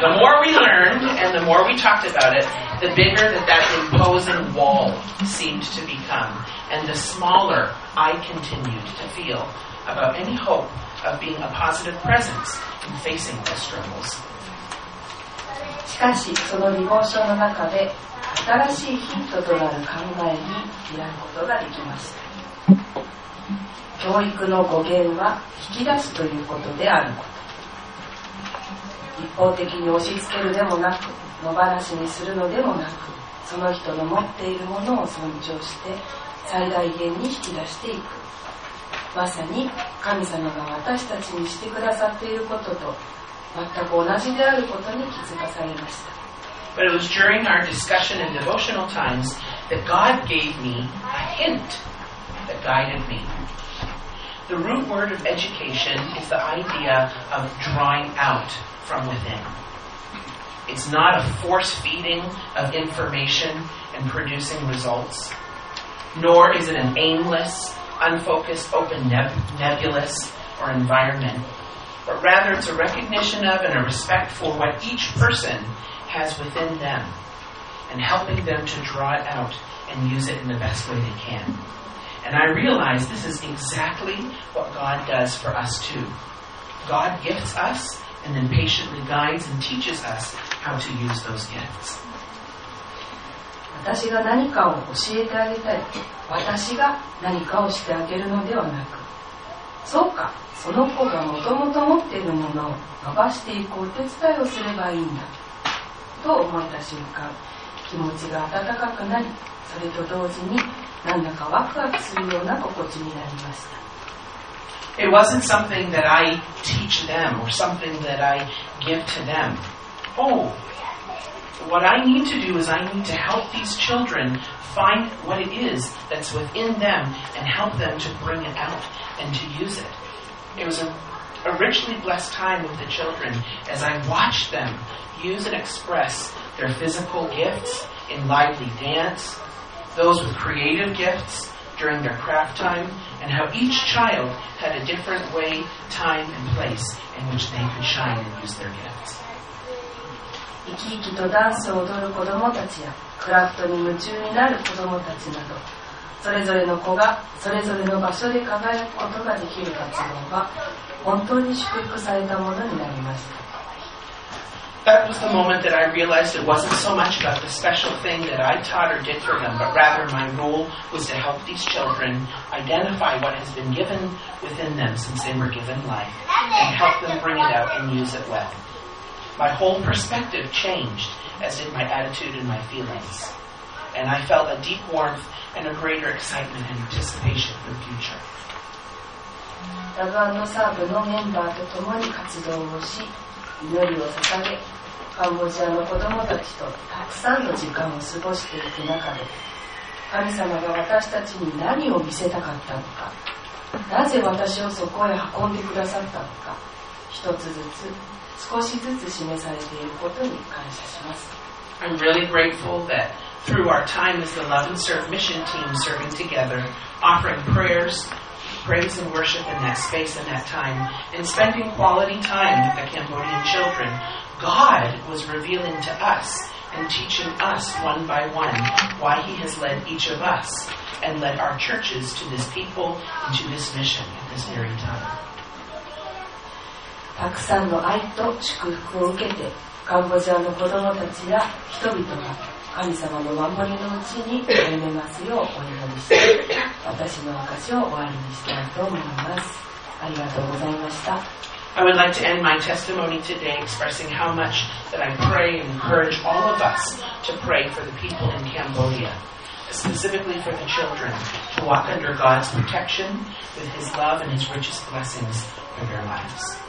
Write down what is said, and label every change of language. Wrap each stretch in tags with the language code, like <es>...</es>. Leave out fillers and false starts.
<en>The more we learned and the more we talked about it, the bigger that imposing wall seemed to become, and the smaller I continued to feel about any hope of being a positive presence in facing the struggles.</en> <ja>しかし、そのディボーションの中で新しいヒントとなる考えに出会うことができました。教育の語源は引き出すということであること。一方的に押し付けるでもなく、野放しにするのでもなく、その人の持っているものを尊重して最大限に引き出していく。まさに神様が私たちにしてくださっていることと全く同じであることに気づかされました。</ja> <en>But it was during our discussion and devotional times that God gave me a hint that guided me. The root word of education is the idea of drawing out from within. It's not a force feeding of information and producing results, nor is it an aimless, unfocused, open nebulous or environment, but rather it's a recognition of and a respect for what each person has within them and helping them to draw it out and use it in the best way they can. And I realize this is exactly what God does for us too. God gifts us and then patiently guides and teaches us how to use those gifts.</en> <ja>私が何かを教えてあげたい、私が何かをしてあげるのではなく、そうか、その子がもともと持っているものを伸ばしていくお手伝いをすればいいんだと思った瞬間、気持ちが温かくなり、それと同時に何だかワクワクするような心地になりました。</ja> <en>It wasn't something that I teach them or something that I give to them. Oh, what I need to do is I need to help these children find what it is that's within them and help them to bring it out and to use it. It was a richly blessed time with the children as I watched themuse and express their physical gifts in lively dance, those with creative gifts during their craft time, and how each child had a different way, time, and place in which they could shine and use their gifts.</en> <ja>生き生きとダンスを踊る子どもたちや、クラフトに夢中になる子どもたちなど、それぞれの子がそれぞれの場所で輝くことができる活動は、本当に祝福されたものになりました。</ja> <en>That was the moment that I realized it wasn't so much about the special thing that I taught or did for them, but rather my role was to help these children identify what has been given within them since they were given life and help them bring it out and use it well. My whole perspective changed, as did my attitude and my feelings. And I felt a deep warmth and a greater excitement and anticipation for the future.</en> <ja>ラグアンドサーブのメンバーと共に活動をし、祈りを捧げ、カンボジアの子どもたちとたくさんの時間を過ごしていく中で、神様が私たちに何を見せたかったのか、なぜ私をそこへ運んでくださったのか、一つずつ少しずつ示されていることに感謝します。</ja> <en>I'm really grateful that through our time as the Love and Serve mission team serving together, offering prayers, praise and worship in that space and that time, and spending quality time with the Cambodian children, God was revealing to us and teaching us one by one why He has led each of us and led our churches to this people and to this mission at this very time.</en> <ja>たくさんの愛と祝福を受けて、カンボジアの子どもたちや人々が神様の守りのうちに歩めますようお祈りして、私の証を終わりにしたいと思います。ありがとうございました。</ja> <en>I would like to end my testimony today expressing how much that I pray and encourage all of us to pray for the people in Cambodia, specifically for the children, to walk under God's protection with His love and His richest blessings for their lives.</en>